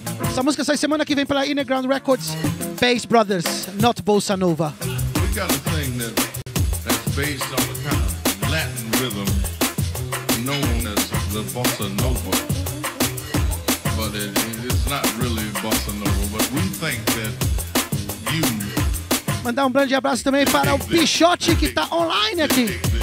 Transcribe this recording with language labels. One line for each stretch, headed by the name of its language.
Portuguese: Essa música sai semana que vem pela Underground Records.
English: Bass Brothers, Not Bossa Nova. We got a thing that's based on a kind of Latin rhythm known as the Bossa Nova. But it's not really Bossa Nova, but we think that you...
Portuguese: Mandar um grande abraço também para o Bichote que tá online aqui.